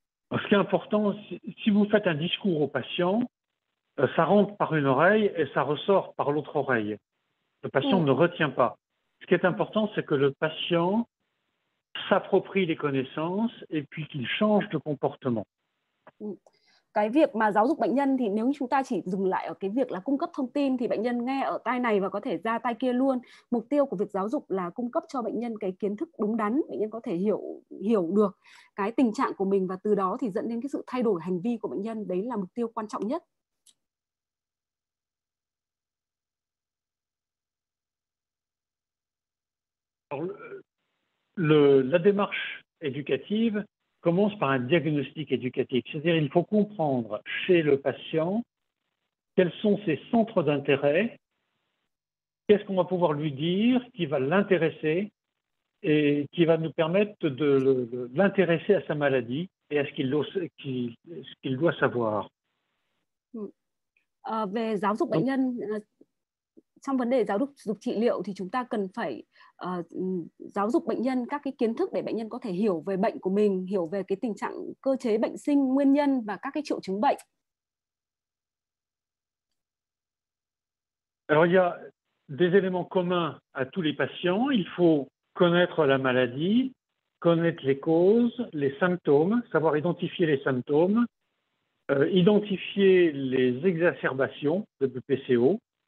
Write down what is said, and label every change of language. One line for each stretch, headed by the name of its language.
French: Ce qui est important, si vous faites un discours au patient, ça rentre par une oreille et ça ressort par l'autre oreille. Le patient ne retient pas. Ce qui est important, c'est que le patient s'approprie les connaissances et puis qu'il change de comportement.
Vietnamese: Cái việc mà giáo dục bệnh nhân thì nếu chúng ta chỉ dừng lại ở cái việc là cung cấp thông tin thì bệnh nhân nghe ở tai này và có thể ra tai kia luôn. Mục tiêu của việc giáo dục là cung cấp cho bệnh nhân cái kiến thức đúng đắn, bệnh nhân có thể hiểu được cái tình trạng của mình và từ đó thì dẫn đến cái sự thay đổi hành vi của bệnh nhân. Đấy là mục tiêu quan trọng nhất.
French: La démarche éducative commence par un diagnostic éducatif, c'est-à-dire il faut comprendre chez le patient quels sont ses centres d'intérêt, qu'est-ce qu'on va pouvoir lui dire qui va l'intéresser et qui va nous permettre de l'intéresser à sa maladie et à ce qu'il doit savoir.
Vietnamese: Về giáo dục bệnh nhân, trong vấn đề giáo dục trị liệu thì chúng ta cần phải giáo dục bệnh nhân các cái kiến thức để bệnh nhân có thể hiểu về bệnh của mình, hiểu về cái tình trạng cơ chế bệnh sinh, nguyên nhân và các cái triệu chứng bệnh.
French: Alors, il y a des éléments communs à tous les patients. Il faut connaître la maladie, connaître les causes, les symptômes, savoir identifier les symptômes, identifier les exacerbations de BPCO.